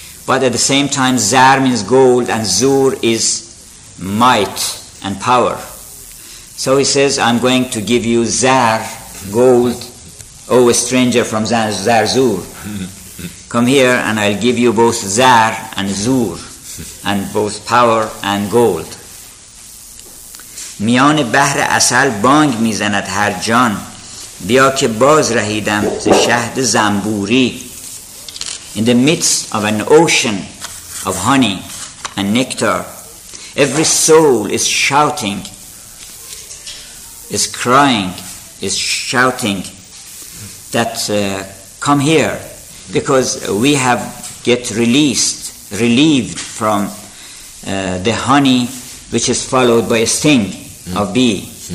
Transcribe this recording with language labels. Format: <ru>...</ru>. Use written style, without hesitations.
<en>But at the same time, Zar means gold and Zur is might and power. So he says, I'm going to give you Zar, gold, O stranger from Zarzur. Come here and I'll give you both Zar and Zur, and both power and gold.</en> <fa>میان بحر اصل بانگ میزند هر جان بیا که باز رهیدم ز شهد زنبوری.</fa> <en>In the midst of an ocean of honey and nectar, every soul is shouting, is crying, is shouting that come here, because we have get released, relieved from the honey which is followed by a sting of bee.</en>